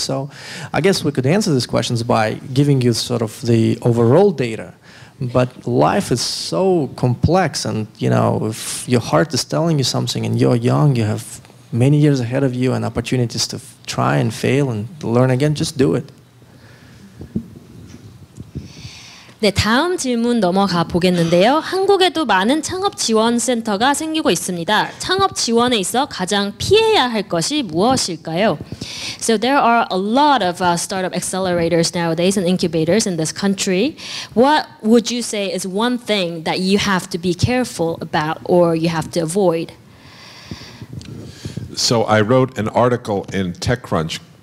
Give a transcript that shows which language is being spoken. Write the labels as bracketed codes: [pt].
[en] So I guess we could answer these questions by giving you sort of the overall data. But life is so complex, and you know, if your heart is telling you something and you're young, you have many years ahead of you and opportunities to try and fail and learn again, just do it. [ko] 네, 다음 질문 넘어가 보겠는데요. 한국에도 많은 창업 지원 센터가 생기고 있습니다. 창업 지원에 있어 가장 피해야 할 것이 무엇일까요? [en] So there are a lot of startup accelerators nowadays and incubators in this country. What would you say is one thing that you have to be careful about or you have to avoid? So I wrote an article in TechCrunch.